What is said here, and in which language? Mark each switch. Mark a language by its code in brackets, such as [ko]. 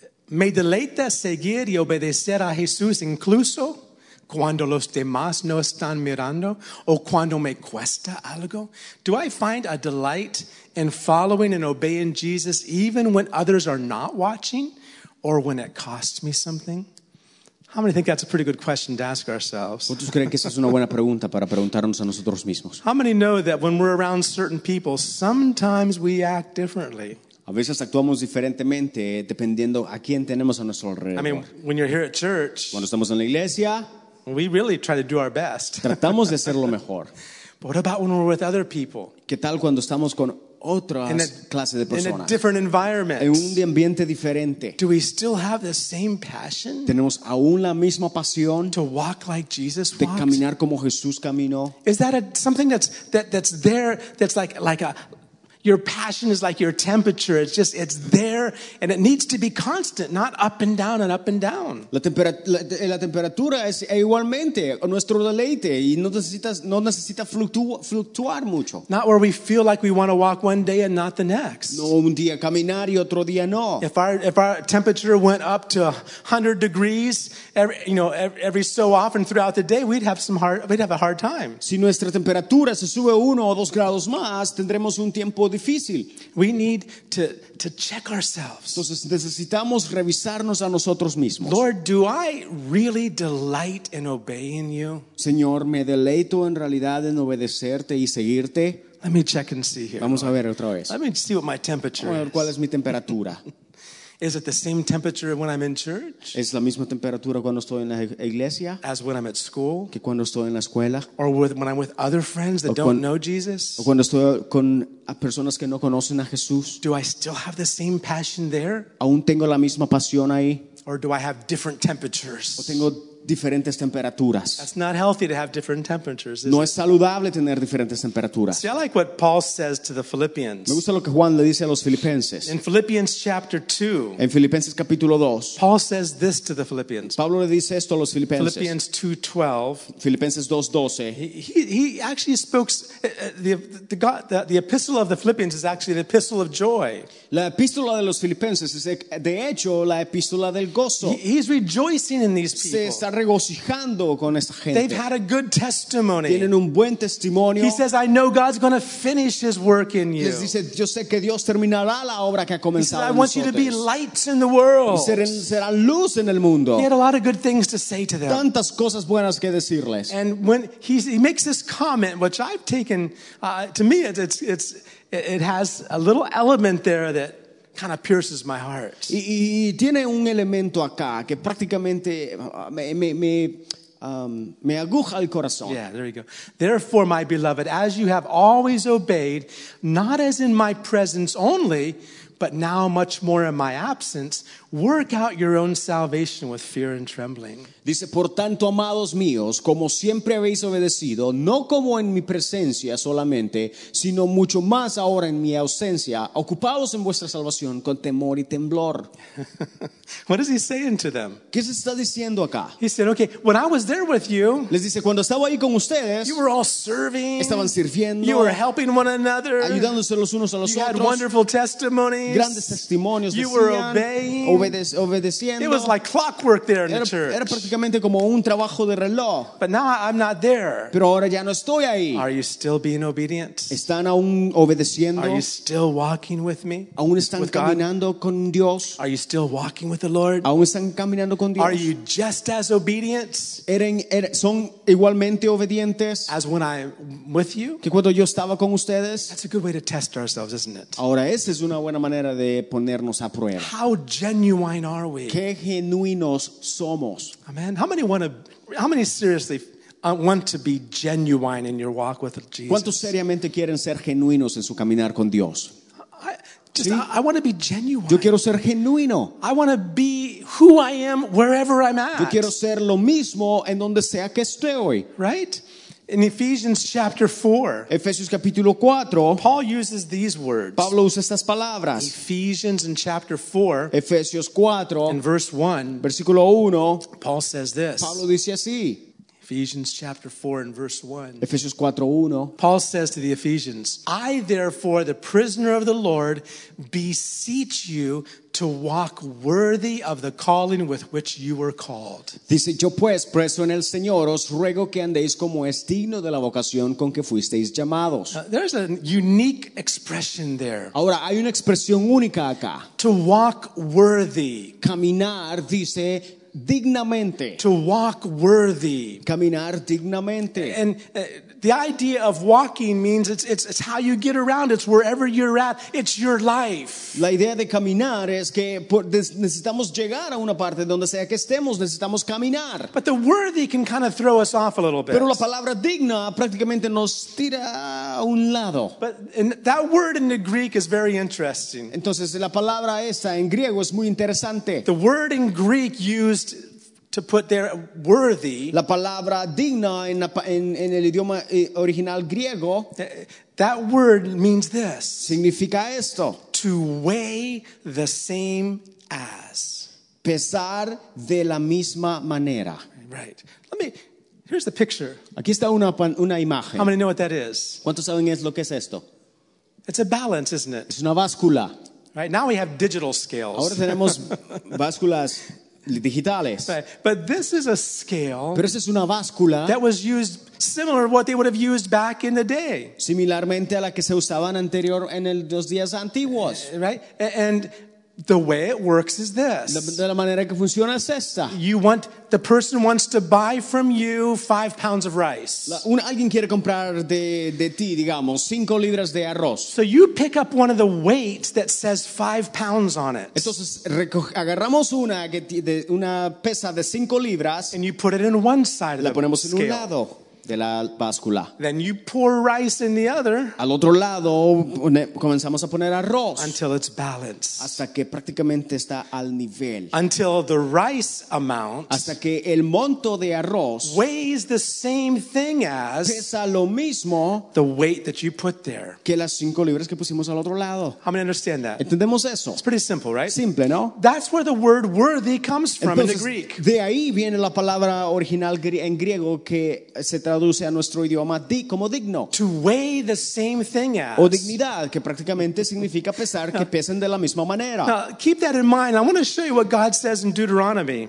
[es] ¿Me deleita seguir y obedecer a Jesús incluso cuando los demás no están mirando o cuando me cuesta algo? [en] Do I find a delight in following and obeying Jesus even when others are not watching or when it costs me something? How many think that's a pretty good question to ask ourselves? [es] ¿Cuántos creen que esa es una buena pregunta para preguntarnos a nosotros mismos? [en] How many know that when we're around certain people, sometimes we act differently? [es] A veces actuamos diferentemente dependiendo a quién tenemos a nuestro alrededor. [en] I mean, when you're here at church, [es] cuando estamos en la iglesia, [en] we really try to do our best. [es] Tratamos de hacer lo mejor. [en] But what about when we're with other people? [es] ¿Qué tal cuando estamos con otras clases de personas? [en] In a different environment. [es] En un ambiente diferente. [en] Do we still have the same passion? [es] ¿Tenemos aún la misma pasión? [en] To walk like Jesus [es] walked? De caminar como Jesús caminó. [en] Is that something that's there, that's like a, your passion is like your temperature. It's just, it's there and it needs to be constant, not up and down and up and down. [es] La temperatura es igualmente nuestro deleite y no necesita fluctuar mucho. [en] Not where we feel like we want to walk one day and not the next. [es] No un día caminar y otro día no. [en] If our temperature went up to 100 degrees every so often throughout the day, we'd have a hard time. [es] Si nuestra temperatura se sube uno o dos grados más, tendremos un tiempo difícil. [en] We need to check ourselves. [es] Entonces necesitamos revisarnos a nosotros mismos. [en] Lord, do I really delight in obeying you? [es] Señor, ¿me deleito en realidad en obedecerte y seguirte? [en] Let me check and see here. [es] Vamos a ver otra vez. [en] Let me see what my temperature is. [es] Vamos a ver cuál es mi temperatura. [en] Is it the same temperature when I'm in church? [es] ¿Es la misma temperatura cuando estoy en la iglesia? [en] As when I'm at school? [es] ¿Que cuando estoy en la escuela? [en] Or when I'm with other friends that don't know Jesus? [es] ¿O cuando estoy con personas que no conocen a Jesús? [en] Do I still have the same passion there? [es] ¿Aún tengo la misma pasión ahí? [en] Or do I have different temperatures? [es] ¿O tengo diferentes temperaturas. [en] That's not healthy to have different temperatures, is [es] no [en] it? [es] Es saludable tener diferentes temperaturas. [en] See, I like what Paul says to the Philippians. [es] Me gusta lo que Juan le dice a los filipenses. [en] In Philippians chapter 2. [es] En Filipenses capítulo 2. [en] Paul says this to the Philippians. [es] Pablo le dice esto a los filipenses. [en] Philippians 2:12. [es] Filipenses 2:12. [en] He actually spoke the epistle of the Philippians is actually the epistle of joy. [es] La epístola de los filipenses es de hecho la epístola del gozo. [en] He's rejoicing in these people. [es] Se está regocijando con esta gente. [en] They've had a good testimony. [es] Tienen un buen testimonio. [en] He says, "I know God's going to finish His work in you." [es] Les dice, yo sé que Dios terminará la obra que ha comenzado. [en] He says, "I want you to be lights in the world." [es] Será luz en el mundo. [en] He had a lot of good things to say to them. [es] Tantas cosas buenas que decirles. [en] And when he makes this comment, which I've taken to me, it has a little element there that kind of pierces my heart. [es] Y tiene un elemento acá que prácticamente me aguja el corazón. [en] Yeah, there you go. Therefore, my beloved, as you have always obeyed, not as in my presence only, but now much more in my absence, work out your own salvation with fear and trembling. [es] Dice, por tanto, amados míos, como siempre habéis obedecido, no como en mi presencia solamente, sino mucho más ahora en mi ausencia, ocupados en vuestra salvación con temor y temblor. [en] What is he saying to them? [es] ¿Qué se está diciendo acá? [en] He said, okay, when I was there with you, [es] les dice, cuando estaba ahí con ustedes, [en] you were all serving, [es] estaban sirviendo, [en] you were helping one another, [es] ayudándose los unos a los [en] you [es] otros, [en] had wonderful testimonies, [es] grandes testimonios, [en] you [es] decían, [en] were obeying, [es] obedeciendo. [en] It was like clockwork there in the church. [es] Era prácticamente como un trabajo de reloj. [en] But now I'm not there. [es] Pero ahora ya no estoy ahí. [en] Are you still being obedient? [es] ¿Están aún obedeciendo? [en] Are you still walking with me? [es] ¿Aún están caminando con Dios? [en] Are you still walking with the Lord? [es] ¿Aún están caminando con Dios? [en] Are you just as obedient? [es] ¿Son igualmente obedientes? [en] As when I'm with you? [es] ¿Que cuando yo estaba con ustedes? [en] That's a good way to test ourselves, isn't it? [es] Ahora esa es una buena manera de ponernos a prueba. [en] How genuine are we? [es] ¿Qué genuinos somos? [en] Amen. How many seriously want to be genuine in your walk with Jesus? [es] ¿Cuántos seriamente quieren ser genuinos en su caminar con Dios? [en] I want to be genuine. [es] Yo quiero ser genuino. [en] I want to be who I am wherever I'm at. [es] Yo quiero ser lo mismo en donde sea que esté hoy. [en] Right? In Ephesians chapter 4. [es] Efesios capítulo 4. [en] Paul uses these words. [es] Pablo usa estas palabras. [en] Ephesians in chapter 4. [es] Efesios 4. [en] In verse 1. [es] Versículo 1. [en] Paul says this. [es] Pablo dice así. [en] Ephesians chapter 4 and verse 1. [es] Efesios 4:1. [en] Paul says to the Ephesians, I therefore, the prisoner of the Lord, beseech you to walk worthy of the calling with which you were called. [es] Dice, yo pues, preso en el Señor, os ruego que andéis como es digno de la vocación con que fuisteis llamados. [en] There's a unique expression there. [es] Ahora, hay una expresión única acá. [en] To walk worthy. [es] Caminar, dice, dignamente. [en] To walk worthy. [es] Caminar dignamente. [en] And the idea of walking means it's how you get around. It's wherever you're at. It's your life. [es] La idea de caminar es que necesitamos llegar a una parte donde sea que estemos. Necesitamos caminar. [en] But the worthy can kind of throw us off a little bit. [es] Pero la palabra digna prácticamente nos tira a un lado. [en] But and that word in the Greek is very interesting. [es] Entonces la palabra esa en griego es muy interesante. [en] The word in Greek used to put there worthy. [es] La palabra digna en el idioma original griego. [en] That word means this. [es] Significa esto. [en] To weigh the same as. [es] Pesar de la misma manera. [en] Right. Here's the picture. [es] Aquí está una imagen. [en] How many know what that is? [es] ¿Cuántos saben es lo que es esto? [en] It's a balance, isn't it? [es] Es una báscula. [en] Right. Now we have digital scales. [es] Ahora tenemos básculas digitales. [en] But this is a scale. [es] Pero esa es una báscula. [en] That was used similar to what they would have used back in the day. [es] Similarmente a la que se usaban anterior en los días antiguos. [en] Right? And the way it works is this. [es] De la manera que funciona es esta. [en] You want, the person wants to buy from you 5 pounds of rice. [es] Alguien quiere comprar de ti, digamos, 5 libras de arroz. [en] So you pick up one of the weights that says 5 pounds on it. [es] Entonces, agarramos una pesa de 5 libras. [en] And you put it in one side of the scale. [es] La ponemos en un lado. de la báscula. [en] Then you pour rice in the other. [es] Al otro lado comenzamos a poner arroz. [en] Until it's balanced. [es] Hasta que prácticamente está al nivel. [en] Until the rice amount. [es] Hasta que el monto de arroz [en] weighs the same thing as [es] pesa lo mismo [en] the weight that you put there. [es] Que las 5 libras que pusimos al otro lado. [en] How many understand that? [es] Entendemos eso. [en] It's pretty simple, right? [es] Simple, ¿no? [en] That's where the word worthy comes from. [es] Entonces, [en] in the Greek. [es] De ahí viene la palabra original en griego que se traduce a nuestro idioma como digno. [en] To weigh the same thing as. [es] O dignidad, que prácticamente significa pesar, que pesen de la misma manera. [en] Now, keep that in mind. I want to show you what God says in Deuteronomy.